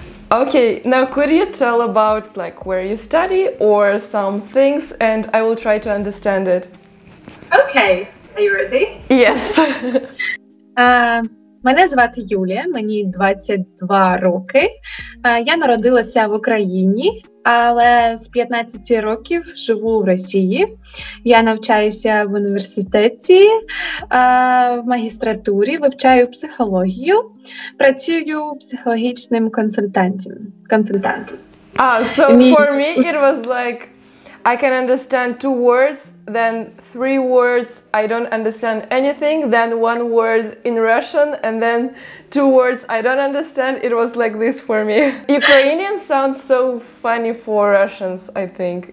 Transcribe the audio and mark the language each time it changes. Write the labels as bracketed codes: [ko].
[en] Okay, now could you tell about like where you study or some things and I will try to understand it. Okay. Are you ready? Yes. [uk] Мене звати Юлія, мені 22 роки. Я народилася в Україні, але з 15 років живу в Росії. Я навчаюся в університеті, в магістратурі, вивчаю психологію, працюю психологічним консультантом. [en] For me it was like I can understand two words, then three words, I don't understand anything, then one word in Russian, and then two words I don't understand. It was like this for me. Ukrainian sounds so funny for Russians, I think.